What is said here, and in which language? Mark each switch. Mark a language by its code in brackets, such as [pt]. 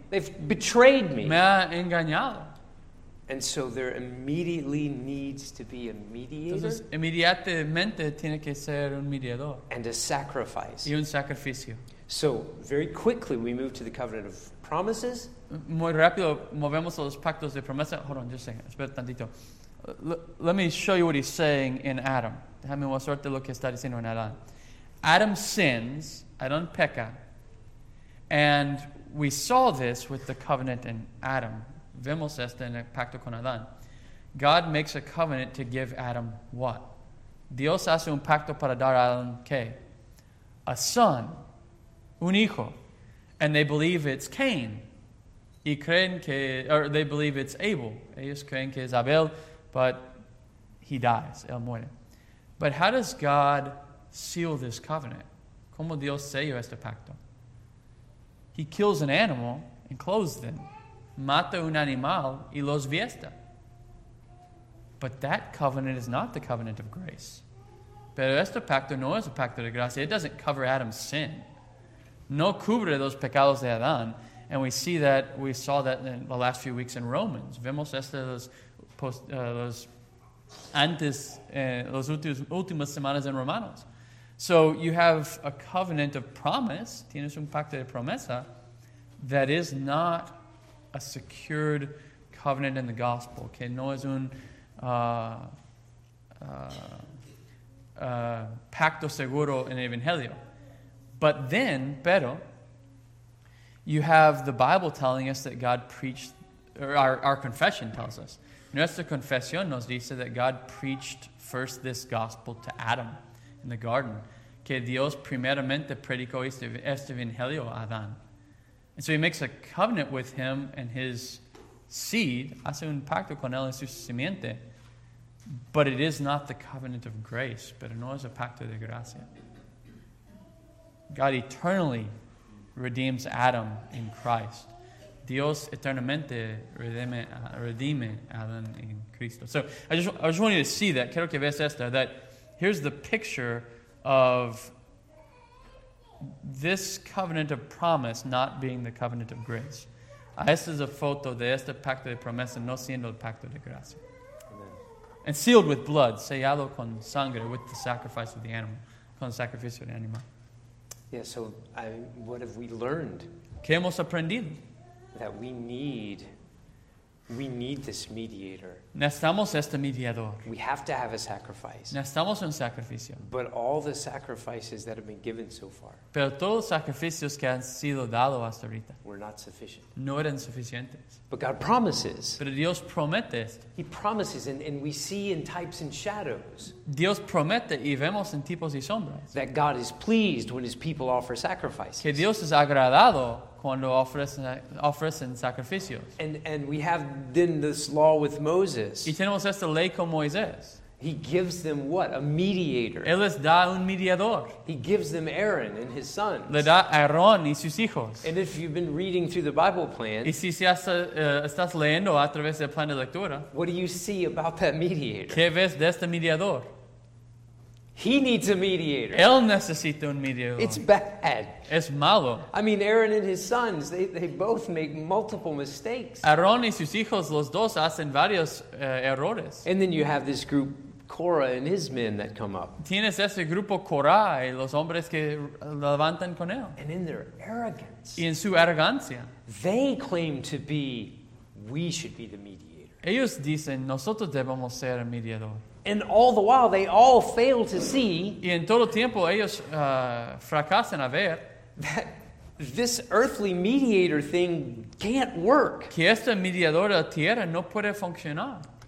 [en] They've betrayed me. [es] Me ha engañado. [en] And so there immediately needs to be a mediator. [es] Entonces, inmediatamente tiene que ser un mediador. [en] And a sacrifice. [es] Y un sacrificio. [en] So very quickly we move to the covenant of promises. [es] Muy rápido movemos a los pactos de promesa. [en] Hold on, just a second. [es] Espera tantito. [en] Let me show you what he's saying in Adam. [es] Déjame mostrarte lo que está diciendo en Adán. [en] Adam sins. [es] Adán peca. [en] And we saw this with the covenant in Adam. [es] Vemos esto en el pacto con Adán. [en] God makes a covenant to give Adam what? [es] Dios hace un pacto para dar a Adán ¿qué? [en] A son. [es] Un hijo. [en] And they believe it's Cain. [es] Y creen que, [en] or they believe it's Abel. [es] Ellos creen que es Abel, [en] but he dies. [es] Él muere. [en] But how does God seal this covenant? [es] ¿Cómo Dios selló este pacto? [en] He kills an animal and clothes them. [es] Mata un animal y los viesta. [en] But that covenant is not the covenant of grace. [es] Pero este pacto no es un pacto de gracia. [en] It doesn't cover Adam's sin. [es] No cubre los pecados de Adán. [en] And we see that, we saw that in the last few weeks in Romans. [es] Vemos esto los últimas semanas en Romanos. [en] So you have a covenant of promise. [es] Tienes un pacto de promesa [en] that is not a secured covenant in the gospel, [es] que no es un pacto seguro en el Evangelio. [en] But then, pero, you have the Bible telling us that God preached, or our confession tells us. [es] Nuestra confesión nos dice [en] that God preached first this gospel to Adam in the garden. [es] Que Dios primeramente predicó este Evangelio a Adán. [en] And so he makes a covenant with him and his seed. [es] Hace un pacto con él y su simiente. [en] But it is not the covenant of grace. [es] Pero no es el pacto de gracia. [en] God eternally redeems Adam in Christ. [es] Dios eternamente redime Adam en Cristo. [en] So I just want you to see that. [es] Quiero que veas esto. [en] That here's the picture of this covenant of promise not being the covenant of grace. [es] Esta es la foto de este pacto de promesa no siendo el pacto de gracia. [en] Amen. And sealed with blood, [es] sellado con sangre, [en] with the sacrifice of the animal, [es] con el sacrificio del animal. [en] Yeah, so what have we learned? [es] ¿Qué hemos aprendido? [en] That we need this mediator. [es] Necesitamos este mediador. [en] We have to have a sacrifice. [es] Necesitamos un sacrificio. [en] But all the sacrifices that have been given so far. [es] Pero todos los sacrificios que han sido dados hasta ahorita. [en] Were not sufficient. [es] No eran suficientes. [en] But God promises. [es] Pero Dios promete esto. [en] He promises and we see in types and shadows. [es] Dios promete y vemos en tipos y sombras. [en] That God is pleased when his people offer sacrifices. [es] Que Dios es agradado cuando ofrecen sacrificios. [en] And we have then this law with Moses. [es] Y tenemos esta ley con Moisés. [en] He gives them what? A mediator. [es] Él les da un mediador. [en] He gives them Aaron and his sons. [es] Le da Aarón y sus hijos. [en] And if you've been reading through the Bible plan. [es] Y si estás leyendo a través del plan de lectura. [en] What do you see about that mediator? [es] ¿Qué ves de este mediador? [en] He needs a mediator. [es] Él necesita un mediador. [en] It's bad. [es] Es malo. [en] I mean, Aaron and his sons, they both make multiple mistakes. [es] Aarón y sus hijos, los dos hacen varios errores. [en] And then you have this group, Korah and his men that come up. [es] Tienes ese grupo Korah y los hombres que levantan con él. [en] And in their arrogance. [es] Y en su arrogancia. [en] They claim to be, we should be the mediator. [es] Ellos dicen, nosotros debemos ser mediador. [en] And all the while, they all fail to see. [es] Y en todo tiempo, ellos fracasan a ver. [en] That this earthly mediator thing can't work. [es] Que este mediador de la tierra no puede funcionar.